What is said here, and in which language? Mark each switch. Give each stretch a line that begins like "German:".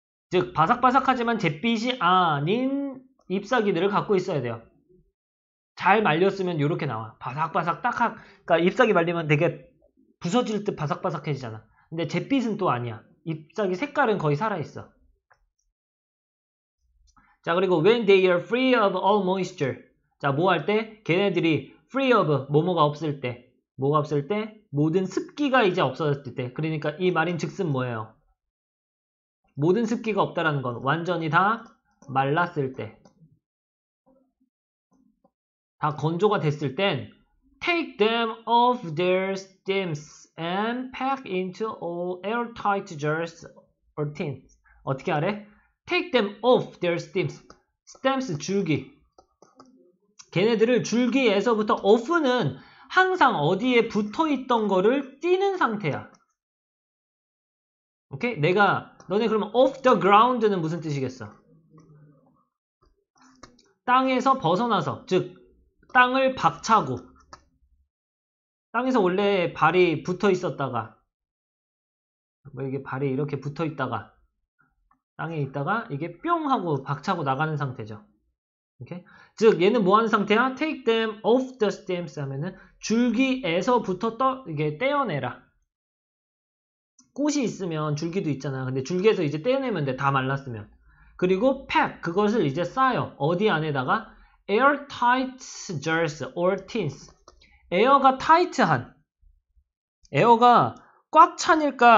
Korean: 즉 바삭바삭하지만 잿빛이 아닌 잎사귀들을 갖고 있어야 돼요. 잘 말렸으면 이렇게 나와. 바삭바삭 딱딱. 그러니까 잎사귀 말리면 되게 부서질 듯 바삭바삭해지잖아. 근데 잿빛은 또 아니야. 잎사귀 색깔은 거의 살아있어. 자 그리고
English: when they are free of all moisture.
Korean: 자뭐할 때? 걔네들이
English: free of
Korean: 뭐뭐가 없을 때. 뭐가 없을 때? 모든 습기가 이제 없어졌을 때. 그러니까 이 말인 즉슨 뭐예요? 모든 습기가 없다라는 건 완전히 다 말랐을 때. 다 건조가 됐을 땐
English: take them off their stems and pack into all airtight jars or tins.
Korean: 어떻게 하래?
English: take them off their stems.
Korean: stems 줄기. 걔네들을 줄기에서부터 off는 항상 어디에 붙어 있던 거를 띄는 상태야. 오케이? 내가 너네 그러면
English: off the ground
Korean: 는 무슨 뜻이겠어? 땅에서 벗어나서, 즉 땅을 박차고, 땅에서 원래 발이 붙어 있었다가, 뭐 이게 발이 이렇게 붙어 있다가 땅에 있다가 이게 뿅 하고 박차고 나가는 상태죠. 오케이? 즉 얘는 뭐 하는 상태야?
English: Take them off the stems
Korean: 하면은 줄기에서부터 이게 떼어내라. 꽃이 있으면 줄기도 있잖아. 근데 줄기에서 이제 떼어내면 돼. 다 말랐으면. 그리고 pack 그것을 이제 싸요. 어디 안에다가?
English: Airtight jars or tins.
Korean: 에어가 타이트한. 에어가 꽉 찬일까?